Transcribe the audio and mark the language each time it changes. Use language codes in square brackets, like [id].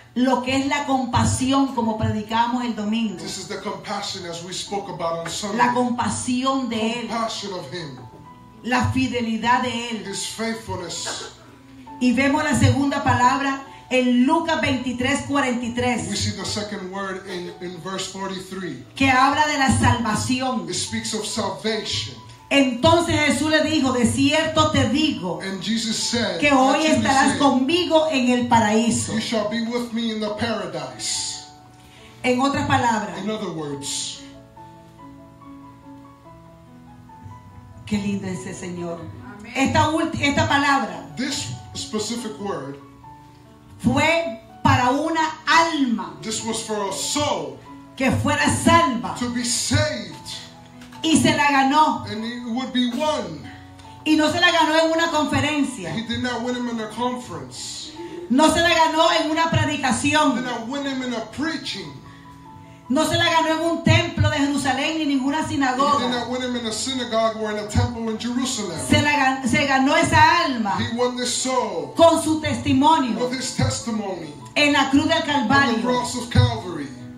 [es] Lo que es la compasión como predicamos el domingo. [en] This is the compassion as we spoke about on Sunday. [es] La compasión de él. [en] Compassion of him. [es] La fidelidad de él. [en] His faithfulness. [es] Y vemos la segunda palabra. En Lucas 23:43. [en] We see the second word in verse 43. [es] Que habla de la salvación. [en] It speaks of salvation. [es] Entonces Jesús le dijo, de cierto te digo. [en] And Jesus said, [es] que hoy estarás conmigo en el paraíso. [en] You shall be with me in the paradise. [es] En otras palabras. [en] In other words. [es] Qué lindo es ese Señor. Esta palabra. [en] This specific word. [es] Fue para una alma. [en] This was for a soul. [es] Que fuera salva. [en] To be saved. [es] Y se la ganó. [en] And he would be won. [es] Y no se la ganó en una conferencia. [en] He did not win him in a conference. [es] No se la ganó en una predicación. [en] He did not win him in a preaching. [es] No se la ganó en un templo de Jerusalén ni ninguna sinagoga. [en] He did not win him in a synagogue or in a temple in Jerusalem. [es] Se ganó esa alma. [en] He won this soul. [es] Con su testimonio. [en] With his testimony. [es] En la cruz del Calvario. [en] On the cross of Calvary.